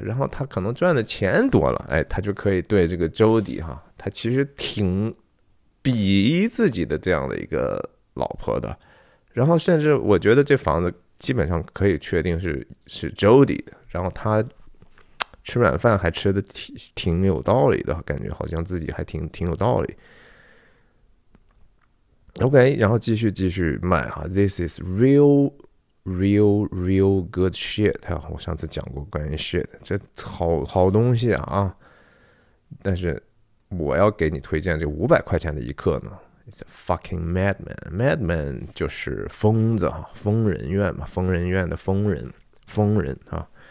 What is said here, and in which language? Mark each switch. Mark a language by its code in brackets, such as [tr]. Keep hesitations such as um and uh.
[zh] 然后他可能赚的钱多了，哎，他就可以对这个周迪哈，他其实挺鄙夷自己的这样的一个老婆的。然后甚至我觉得这房子基本上可以确定是是周迪的。然后他。吃软饭还吃的挺挺有道理的感觉，好像自己还挺挺有道理。 OK，然后继续继续卖哈 [en] t h i s is real, real, real good shit。 [zh] 我上次讲过关于 shit，这好好东西啊,啊。但是我要给你推荐这五百块钱的一课呢， [en] It's a fucking madman。 [zh] Madman 就是疯子啊，疯人院嘛，疯人院的疯人，疯人啊。